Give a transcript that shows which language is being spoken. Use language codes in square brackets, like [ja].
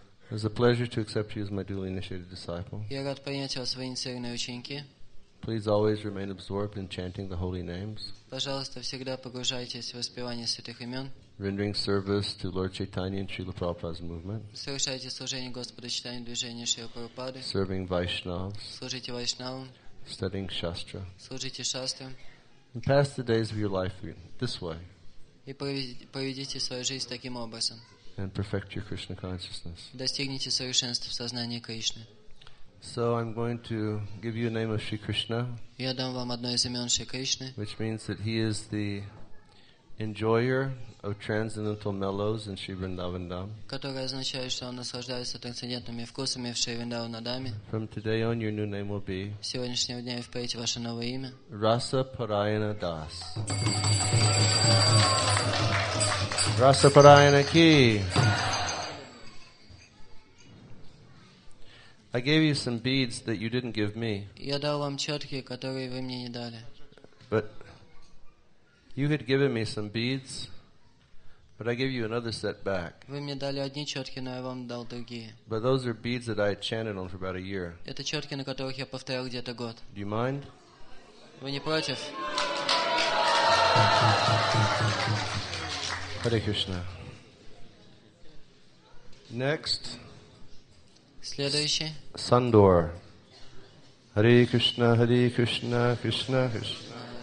[en] It's a pleasure to accept you as my duly initiated disciple. [ru] Я рад принять вас в инициированные ученики. [en] Please always remain absorbed in chanting the holy names. [ru] Пожалуйста, всегда погружайтесь в воспевание святых имен. [en] Rendering service to Lord Chaitanya and Srila Prabhupada's movement. [ru] Совершайте служение Господу Чайтанье движению Шрила Прабхупады. [en] Serving Vaishnavas. [ru] Служите Вайшнавам. [en] Studying Shastra. [ru] Служите Шастре. [en] And pass the days of your life this way. [ru] И проведите свою жизнь таким образом. [en] And perfect your Krishna consciousness. [ru] Достигните совершенства в сознании Кришны. [en] So I'm going to give you a name of Sri Krishna. [ru] Я дам вам одно из имен Шри Кришны. [en] Which means that he is the enjoyer of transcendental mellows in Sri Vrindavan Dham. [ru] Которое означает, что он наслаждается трансцендентными вкусами в Шри Вриндавана Даме. [en] From today on, your new name will be. [ru] С сегодняшнего дня и впредь ваше новое имя. [en] Rasa Parayana Das. Rasa Parayana Ki. I gave you some beads that you didn't give me. [ru] Я дал вам четки, которые вы мне не дали. [en] But you had given me some beads, but I gave you another set back. [ru] Вы мне дали одни четки, но я вам дал другие. [en] But those are beads that I had chanted on for about a year. [ru] Это четки, на которых я повторял где-то год. [en] Do you mind? [ru] Вы не против? [en] Hare Krishna. Next. [ru] Следующий. [en] Sandor. Hare Krishna, Hare Krishna, Krishna Krishna.